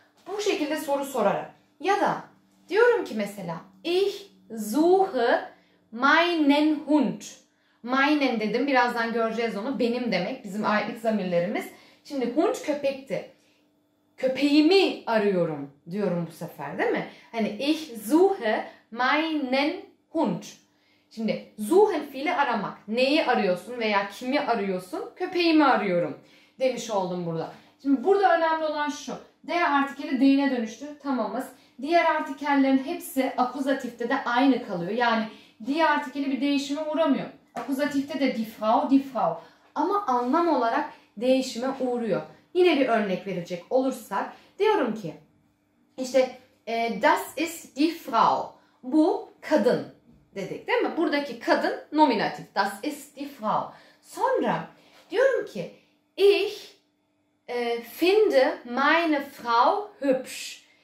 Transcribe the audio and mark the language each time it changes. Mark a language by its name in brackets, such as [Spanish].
[Turkish] Bu şekilde soru sorarım. Ya da diyorum ki mesela [German] ich suche meinen Hund. [Turkish] Meinen dedim. Birazdan göreceğiz onu. Benim demek. Bizim aitlik zamirlerimiz. Şimdi Hund köpekti. Köpeğimi arıyorum diyorum bu sefer değil mi? [German] Hani ich suche meinen Hund. [Turkish] Şimdi suche fiili aramak. Neyi arıyorsun veya kimi arıyorsun? Köpeğimi arıyorum demiş oldum burada. Şimdi burada önemli olan şu. Der artikeli den'e dönüştü. Tamamız. Diğer artikellerin hepsi akuzatifte de aynı kalıyor. Yani diğer artikeli bir değişime uğramıyor. Akuzatifte de [German] die Frau, die Frau. [Turkish] Ama anlam olarak değişime uğruyor. Yine bir örnek verecek olursak diyorum ki işte [German] das ist die Frau. [Turkish] Bu kadın dedik değil mi? Buradaki kadın nominatif. [German] Das ist die Frau. [Turkish] Sonra diyorum ki [German] ich finde meine Frau hübsch.